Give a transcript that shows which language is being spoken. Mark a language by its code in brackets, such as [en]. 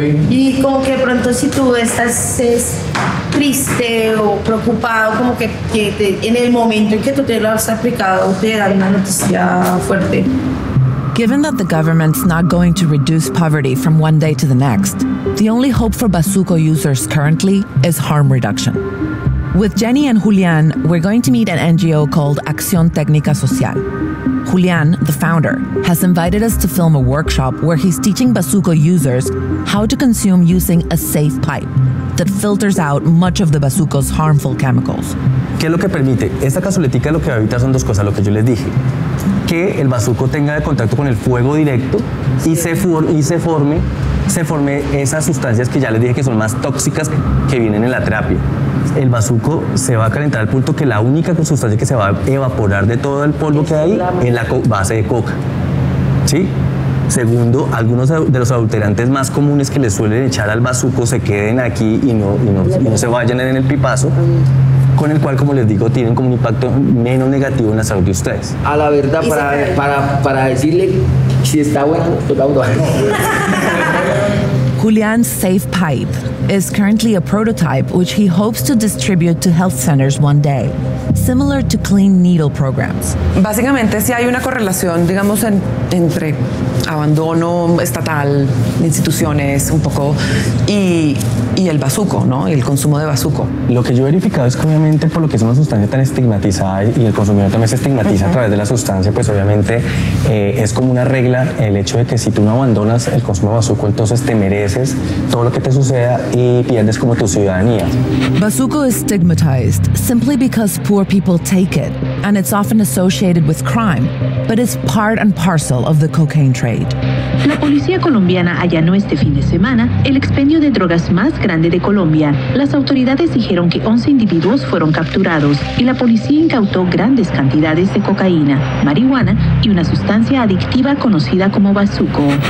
[es] Y como que de pronto si tú estás es triste o preocupado, como que te, en el momento en que tú te lo has aplicado, te dan una noticia fuerte. [en] Given that the government's not going to reduce poverty from one day to the next, the only hope for Basuco users currently is harm reduction. With Jenny and Julian, we're going to meet an NGO called Acción Técnica Social. Julian, the founder, has invited us to film a workshop where he's teaching Basuco users how to consume using a safe pipe that filters out much of the Basuco's harmful chemicals. [es] ¿Qué es lo que permite? Esta cazoletica lo que va a evitar son dos cosas, lo que yo les dije. Que el basuco tenga de contacto con el fuego directo y se forme esas sustancias que ya les dije que son más tóxicas que vienen en la terapia. El basuco se va a calentar al punto que la única sustancia que se va a evaporar de todo el polvo que hay es la base de coca. ¿Sí? Segundo, algunos de los adulterantes más comunes que le suelen echar al basuco se queden aquí y no se vayan en el pipazo. Con el cual, como les digo, tienen como un impacto menos negativo en la salud de ustedes. A la verdad, para decirle si está bueno, [en] Julian's Safe Pipe is currently a prototype which he hopes to distribute to health centers one day, similar to clean needle programs. [es] Básicamente, si hay una correlación, digamos, entre abandono estatal, instituciones, un poco, y el basuco, ¿no? Y el consumo de basuco. Lo que yo he verificado es que, obviamente, por lo que es una sustancia tan estigmatizada y el consumidor también se estigmatiza a través de la sustancia, pues, obviamente, es como una regla el hecho de que si tú no abandonas el consumo de basuco, entonces te mereces todo lo que te suceda y pierdes como tu ciudadanía. [en] Basuco is stigmatized simply because poor people take it, and it's often associated with crime, but it's part and parcel of the cocaine trade. [es] La policía colombiana allanó este fin de semana el expendio de drogas más grande de Colombia. Las autoridades dijeron que 11 individuos fueron capturados y la policía incautó grandes cantidades de cocaína, marihuana y una sustancia adictiva conocida como basuco.